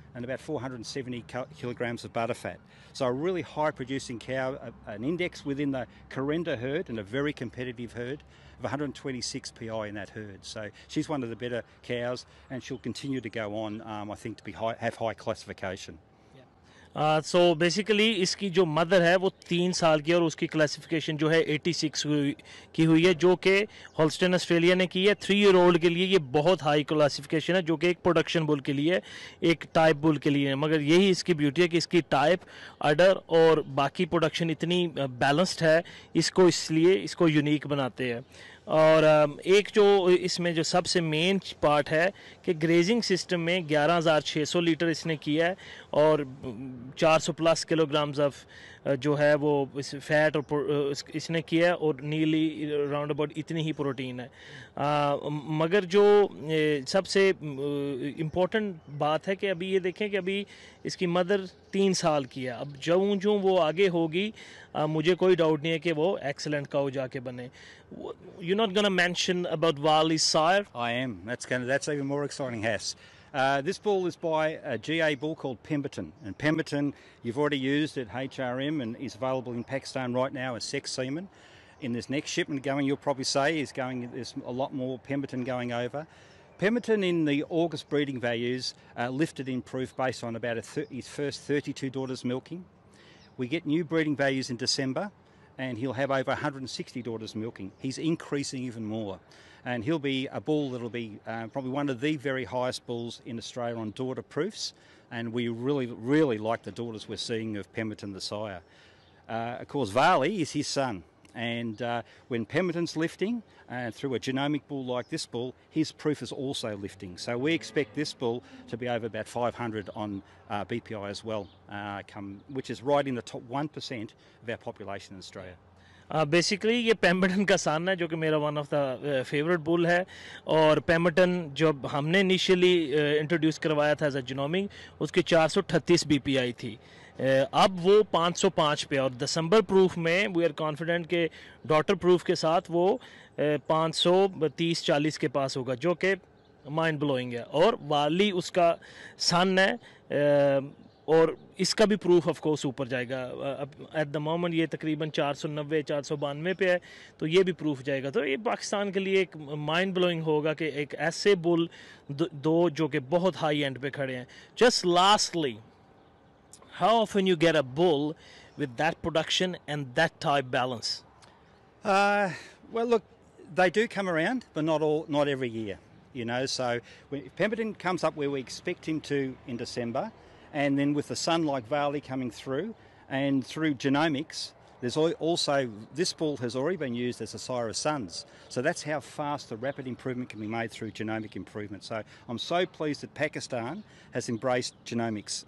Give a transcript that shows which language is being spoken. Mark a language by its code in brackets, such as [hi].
[en] and about 470 kilograms of butter fat. So a really high producing cow, an index within the Carenda herd and a very competitive herd of 126 PI in that herd. So she's one of the better cows and she'll continue to go on, I think, to be high, have high classification. [ur] So basically اس کی جو mother ہے وہ 3 سال کی ہے اور اس کی classification جو ہے 86 کی ہوئی ہے جو کہ ہولسٹین آسٹریلیا نے کی ہے. 3-year-old کے لیے یہ بہت ہائی کلاسیفیکیشن ہے جو کہ ایک پروڈکشن بل کے لیے ایک ٹائپ بل کے لیے ہے, مگر یہی اس کی بیوٹی ہے کہ اس کی ٹائپ اڈر اور باقی پروڈکشن اتنی بیلنسڈ ہے اس کو, اس لیے اس کو یونیک بناتے ہیں. اور ایک جو اس میں جو سب سے مین پارٹ ہے کہ گریزنگ سسٹم میں 11,600 لیٹر اس نے کیا ہے اور 400+ کلو گرامز آف جو ہے وہ اس فیٹ اور اس نے کیا ہے اور نیلی راؤنڈ اباؤٹ اتنی ہی پروٹین ہے. مگر جو سب سے امپورٹنٹ بات ہے کہ ابھی یہ دیکھیں کہ ابھی اس کی مدر 3 سال کی ہے, اب جوں جوں وہ آگے ہوگی مجھے کوئی ڈاؤٹ نہیں ہے کہ وہ ایکسلنٹ کاؤ جا کے بنے. [en] You not gonna mention about والی sire I am that's even more exciting his. This bull is by a GA bull called Pemberton. And Pemberton, you've already used at HRM and is available in Pakistan right now as sex semen. In this next shipment going, you'll probably say, is going, there's a lot more Pemberton going over. Pemberton in the August breeding values lifted in proof based on about his first 32 daughters milking. We get new breeding values in December and he'll have over 160 daughters milking. He's increasing even more. And he'll be a bull that'll be probably one of the very highest bulls in Australia on daughter proofs. And we really, really like the daughters we're seeing of Pemberton the sire. Of course, Varley is his son. And when Pemberton's lifting through a genomic bull like this bull, his proof is also lifting. So we expect this bull to be over about 500 on BPI as well, which is right in the top 1% of our population in Australia. [ur] Basically یہ پیمبرٹن کا سان ہے جو کہ میرا [en] one of the favourite bull [ur] ہے, اور پیمبرٹن جب ہم نے انیشیلی انٹروڈیوس کروایا تھا [en] as a genomic [ur] اس کی 438 بی پی آئی تھی, اب وہ 505 پہ, اور دسمبر پروف میں [en] we are confident [ur] کہ ڈاٹر پروف کے ساتھ وہ 530-40 کے پاس ہوگا جو کہ [en] mind blowing [ur] ہے. اور والی اس کا سان ہے اور اس کا بھی پروف آف کورس اوپر جائے گا, اب [en] at the moment [ur] یہ تقریباً 490-492 پہ ہے تو یہ بھی پروف جائے گا. تو یہ پاکستان کے لیے ایک [en] mind blowing [ur] ہوگا کہ ایک ایسے بل دو جو کہ بہت ہائی اینڈ پہ کھڑے ہیں. [en] Just lastly, how often you get a bull with that production and that type balance? Well look, they do come around but not all, not every year, you know. So Pemberton comes up we expect him to in December. And then with the son like Varley coming through, and through genomics, there's also, this bull has already been used as a sire of sons. So that's how fast the rapid improvement can be made through genomic improvement. So I'm so pleased that Pakistan has embraced genomics.